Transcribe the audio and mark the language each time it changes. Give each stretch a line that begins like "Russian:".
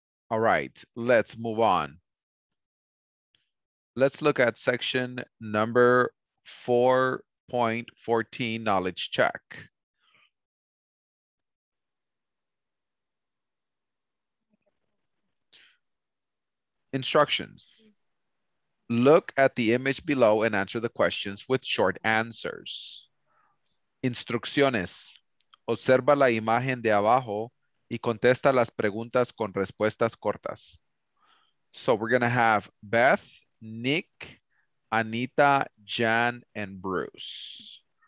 English: All right, let's move on. Let's look at section number 4.14, knowledge check. Instructions. Look at the image below and answer the questions with short answers.
Spanish: Instrucciones. Observa la imagen de abajo y contesta las preguntas con respuestas cortas.
English: So we're going to have Beth, Nick, Anita, Jan, and Bruce.